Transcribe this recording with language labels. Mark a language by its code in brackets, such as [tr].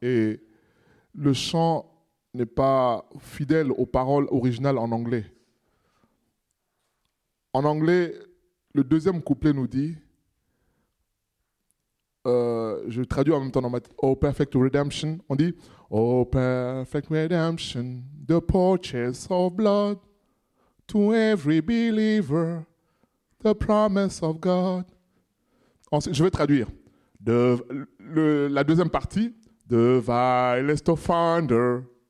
[fr] Et le chant n'est pas fidèle aux paroles originales en anglais. En anglais, le deuxième couplet nous dit, je traduis en même temps dans ma [en] Oh perfect redemption. [fr] On dit [en] Oh perfect redemption, the purchase of blood to every believer, the promise of God. [fr] Ensuite, je vais traduire la deuxième partie, [en] the vilest offender.